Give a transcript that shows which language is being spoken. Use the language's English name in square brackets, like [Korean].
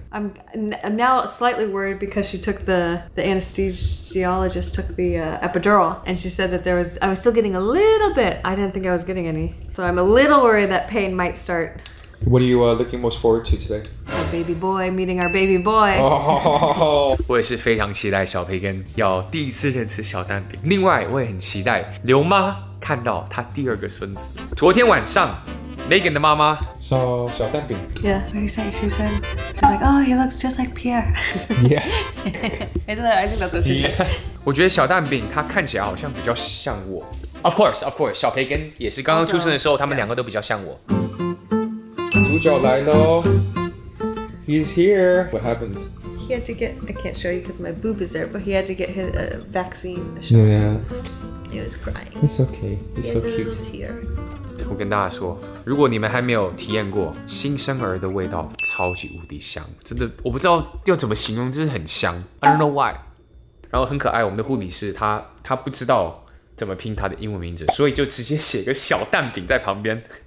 [English] I'm now slightly worried because she took the anesthesiologist took the epidural and she said that there was, I was still getting a little bit. I didn't think I was getting any. So I'm a little worried that pain might start. What are you looking most forward to today? Our baby boy, meeting our baby boy. Oh! [Chinese] 我也是非常期待小培根要第一次认识小蛋饼。另外，我也很期待刘妈看到她第二个孙子。昨天晚上 ，Megan 的妈妈 [English] saw 小蛋饼。 Yeah, very sad. She's like, oh, he looks just like Pierre. Yeah. Isn't that? I think that's what she said. Yeah. [Chinese] 我觉得小蛋饼他看起来好像比较像我。 [English] Of course, of course. [Chinese] 小培根也是刚刚出生的时候，他们两个都比较像我。主角来喽 [English] ！He's here. What happened? He had to get. I can't show you because my boob is there. But he had to get his vaccine shot. Yeah. He was crying. It's okay. It's so cute. He has a little tear. [Chinese] 我跟大家说，如果你们还没有体验过新生儿的味道，超级无敌香，真的，我不知道要怎么形容，真的很香。 [English] I don't know why. [Chinese] 然后很可爱，我们的护理师他不知道怎么拼他的英文名字，所以就直接写个小蛋饼在旁边。